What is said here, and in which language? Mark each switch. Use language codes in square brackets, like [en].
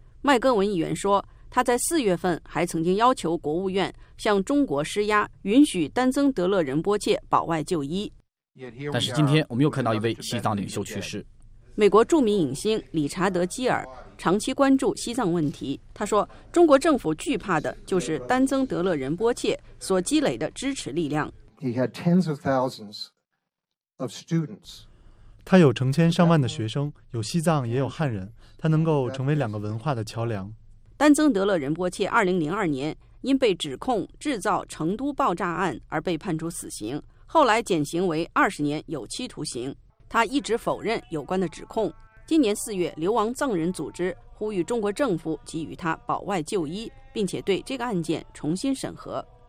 [zh] 麦戈文议员说，他在4月份还曾经要求国务院向中国施压，允许丹增德勒仁波切保外就医。但是今天我们又看到一位西藏领袖去世。美国著名影星理查德基尔长期关注西藏问题，他说，中国政府惧怕的就是丹增德勒仁波切所积累的支持力量。 [en] He had tens of thousands of students. [zh] 他有成千上万的学生，有西藏也有汉人，他能够成为两个文化的桥梁。丹增德勒仁波切2002年因被指控制造成都爆炸案而被判处死刑，后来减刑为20年有期徒刑。他一直否认有关的指控。今年4月，流亡藏人组织呼吁中国政府给予他保外就医，并且对这个案件重新审核。